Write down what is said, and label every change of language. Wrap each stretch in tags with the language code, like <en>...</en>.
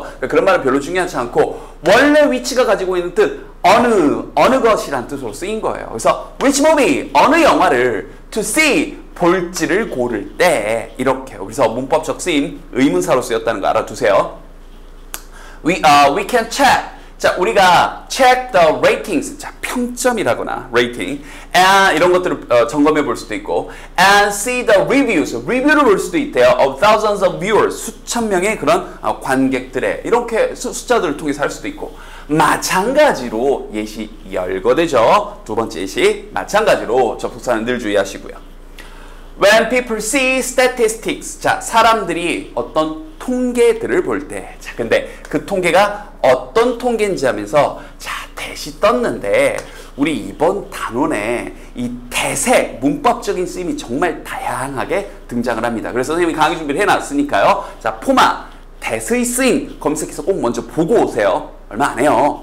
<ko>그러니까 그런 말은 별로 중요하지 않고 원래 위치가 가지고 있는 뜻 어느 것이란 뜻으로 쓰인 거예요. 그래서</ko> <en>which movie</en> <ko>어느 영화를</ko> <en>to see</en> <ko>볼지를 고를 때 이렇게. 그래서 문법적 쓰임 의문사로 쓰였다는 거 알아두세요.</ko> <en>We can check.</en> <ko>자, 우리가</ko> <en>check the ratings.</en> <ko>자, 평점이라거나 rating. And 이런 것들을 점검해 볼 수도 있고.</ko> <en>And see the reviews.</en> <ko>리뷰를 볼 수도 있대요.</ko> <en>Of thousands of viewers.</en> <ko>수천 명의 그런 관객들의 이렇게 숫자들을 통해서 할 수도 있고. 마찬가지로 예시 열거되죠. 두 번째 예시. 마찬가지로 접속사는 늘 주의하시고요.</ko> <en>When people see statistics.</en> <ko>자, 사람들이 어떤 통계들을 볼 때. 자, 근데 그 통계가 어떤 통계인지 하면서 자, 대시 떴는데 우리 이번 단원에 이 대세 문법적인 쓰임이 정말 다양하게 등장을 합니다. 그래서 선생님이 강의 준비를 해놨으니까요. 자, 포마 대세의 쓰임 검색해서 꼭 먼저 보고 오세요. 얼마 안 해요.</ko>